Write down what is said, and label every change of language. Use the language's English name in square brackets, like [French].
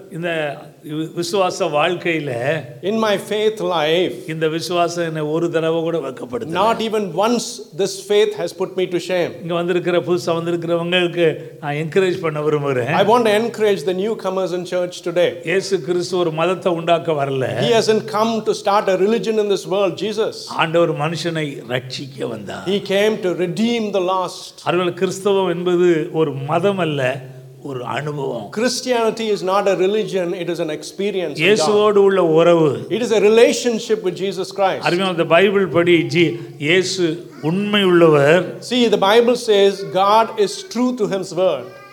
[Tamil] இந்த விசுவாச வாழ்க்கையில, [English] in my faith life, [Tamil] இந்த விசுவாசம் என்னை ஒரு தடவை கூட வெட்கப்படுத்தல. [English] Not even once this faith has put me to shame. [Tamil] இங்க வந்திருக்கிற புதுசா வந்திருக்கிறவங்களுக்கு நான் என்கரேஜ் பண்ண விரும்ப [English] I want to encourage the newcomers in church today. [Tamil] இயேசு கிறிஸ்து ஒரு மதத்தை உண்டாக்க வரல. [English] He hasn't come to start a religion in this world, Jesus. [Tamil] ஆண்டவர் மனுஷனை ரட்சிக்க வந்தார். [English] He came to redeem the lost. [Tamil] அருள் கிறிஸ்தவம் என்பது ஒரு மதம் அல்ல, ஒரு அனுபவம். [English] Christianity is not a religion, it is an experience. [Tamil] இயேசுவோடு உள்ள உறவு. [English] It is a relationship with Jesus Christ. [Tamil] அருமையான the Bible படி இயேசு உண்மை உள்ளவர். [English] See, the Bible says God is true to his word.